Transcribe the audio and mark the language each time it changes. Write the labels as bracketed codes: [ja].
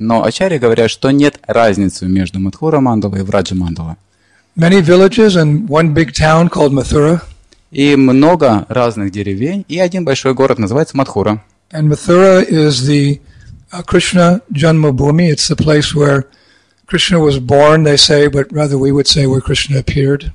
[ru] Но ачарьи говорят, что нет разницы между Матхура Мандала и Враджа Мандала. [en] Many villages and one big town called Mathura. [ru] И много разных деревень, и один большой город называется Матхура. [en] And Mathura is the Krishna Janmabhumi. It's the place where Krishna was born, they say, but rather we would say where Krishna appeared.